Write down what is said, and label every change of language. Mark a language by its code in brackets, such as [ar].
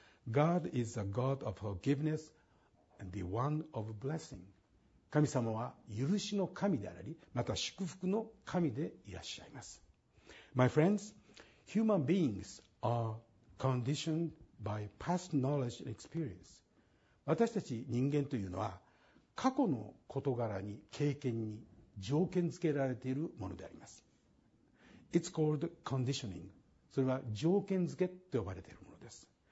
[en] God is a God of forgiveness and the one of blessing. [ja] 神様は許しの神であり、また祝福の神でいらっしゃいます。 [en] My friends, human beings areconditioned by past knowledge and experience. [ja] 私たち人間というのは過去の事柄に経験に条件付けられているものであります。 [en] It's called conditioning. [ja] それは条件付けと呼ばれているものです。